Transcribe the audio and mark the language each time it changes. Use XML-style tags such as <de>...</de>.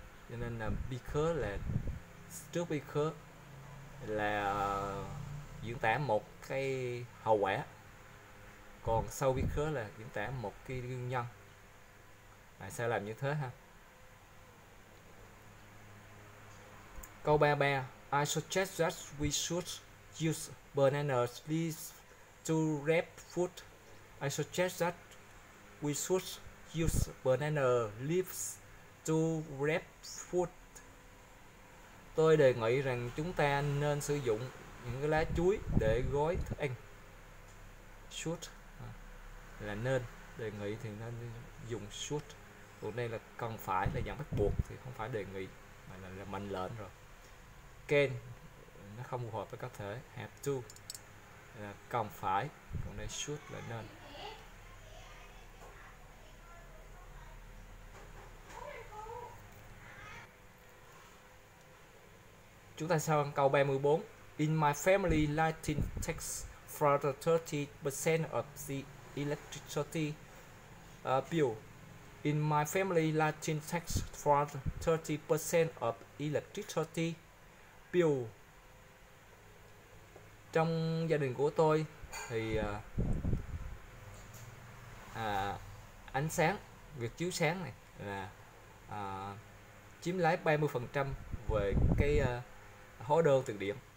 <vi>Cho nên là because là trước, because là diễn tả một cái hậu quả, còn sau because là diễn tả một cái nguyên nhân tại sao làm như thế ha.</vi> <en>Câu 33, I suggest that we should use banana leaves to wrap food. I suggest that we should use banana leaves to wrap food.</en> <vi>Tôi đề nghị rằng chúng ta nên sử dụng những cái lá chuối để gói thức ăn. Should là nên, đề nghị thì nên dùng should. Còn đây là cần phải, là dạng bắt buộc thì không phải đề nghị mà là mệnh lệnh rồi. Can nó không phù hợp với có thể, have to là cần phải, còn đây should là nên. Chúng ta sang câu 34.</vi> <en>In my family, lighting takes for the 30% of the electricity bill. In my family, lighting takes for the 30% of electricity bill.</en> <vi>Trong gia đình của tôi thì ánh sáng, việc chiếu sáng này là chiếm lấy 30% về cái hóa đơn tiền điện.</vi>